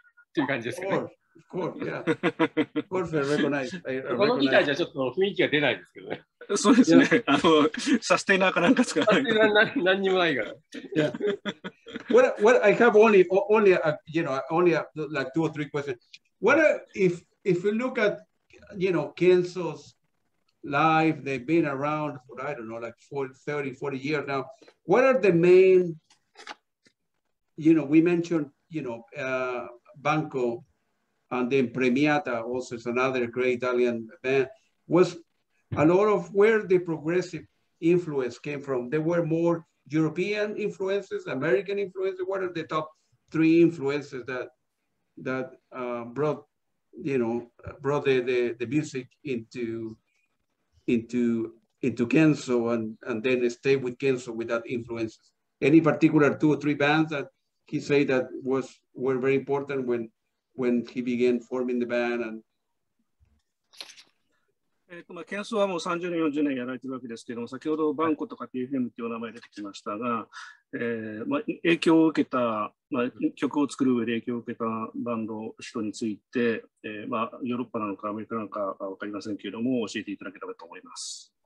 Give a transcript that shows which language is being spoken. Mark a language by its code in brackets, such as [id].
[ja] っていう感じですかね。 [en] Of course, yeah. Of course, I recognize. [ja] このギターじゃちょっと雰囲気が出ないですけどね。そうですね。あのサステナーかなんか使わないと。何にもないから。 [en] Yeah. What I have only two or three questions. What if we look at, you know, Kenso's life, they've been around for, I don't know, like 30, 40 years now. What are the main, you know, we mentioned, you know, Banco, and then Premiata, also is another great Italian band, was a lot of where the progressive influence came from. There were more European influences, American influences. What are the top three influences that brought the music into Kenso and then stay with Kenso with that influences? Any particular two or three bands that he said that were very important when he began forming the band and [ja] まあ、ケンソはもう30年、40年やられているわけですけども、先ほどバンコとか PFM という名前が出てきましたが、まあ、影響を受けた、まあ、曲を作る上で影響を受けたバンド、人について、まあ、ヨーロッパなのかアメリカなのかは分かりませんけれども、教えていただければと思います。